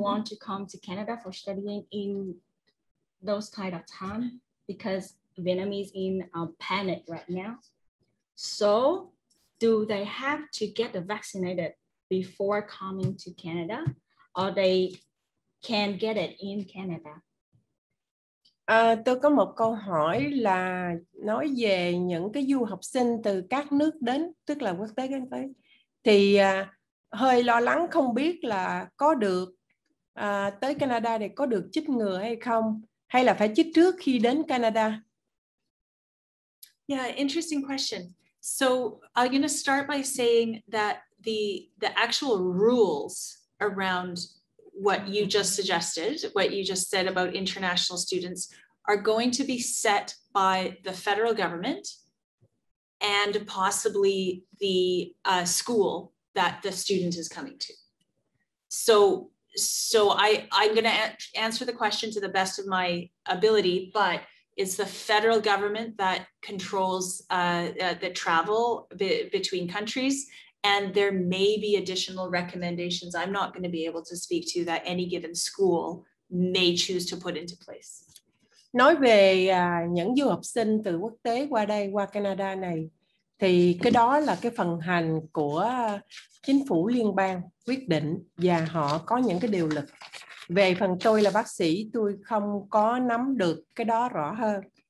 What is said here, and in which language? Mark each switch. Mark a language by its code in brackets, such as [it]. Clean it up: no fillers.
[en] want to come to Canada for studying in those kind of time, because Vietnamese in a panic right now. So do they have to get vaccinated before coming to Canada, or they can get it in Canada? [vi] Tôi có một câu hỏi là nói về những cái du học sinh từ các nước đến, tức là quốc tế đến tới, thì hơi lo lắng không biết là có được tới Canada để có được chích ngừa hay không, hay là phải chích trước khi đến Canada? [en] Yeah, interesting question. So I'm going to start by saying that the actual rules around what you just suggested, what you just said about international students, are going to be set by the federal government and possibly the school that the student is coming to. So I'm going to answer the question to the best of my ability, but it's the federal government that controls the travel between countries. And there may be additional recommendations I'm not going to be able to speak to that any given school may choose to put into place. [vi] Nói về những du học sinh từ quốc tế qua đây, qua Canada này, thì cái đó là cái phần hành của chính phủ liên bang quyết định và họ có những cái điều luật. Về phần tôi là bác sĩ, tôi không có nắm được cái đó rõ hơn.